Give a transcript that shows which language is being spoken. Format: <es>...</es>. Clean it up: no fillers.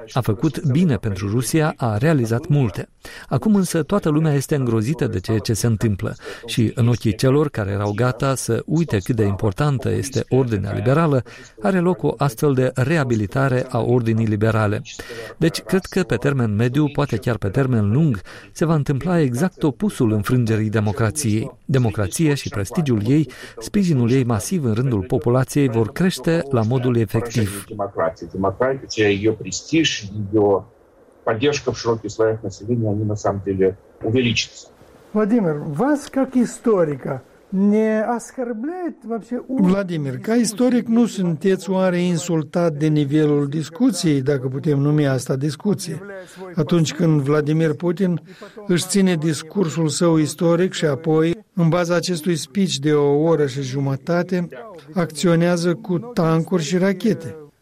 <ro>A făcut bine pentru Rusia, a realizat multe. Acum însă toată lumea este îngrozită de ceea ce se întâmplă și în ochii celor care erau gata să uite cât de importantă este ordinea liberală, are loc o astfel de reabilitare a ordinii liberale. Deci cred că pe termen mediu, poate chiar pe termen lung, se va întâmpla exact opusul înfrângerii democrației. Democrația și prestigiul ei, sprijinul ei masiv în rândul populației vor crește la modul efectiv.</ro> <ru>Democrația, ее престиж, ее поддержка в широких слоях населения, они на самом деле увеличатся. Владимир, вас как историка не оскорбляет вообще...</ru> <ro>Владимир, ca istoric nu sunteți oare insultat de nivelul discuției, dacă putem numi asta discuție, atunci când Vladimir Putin își ține discursul său istoric și apoi, în baza acestui speech de o oră și jumătate, acționează cu tancuri și rachete.</ro>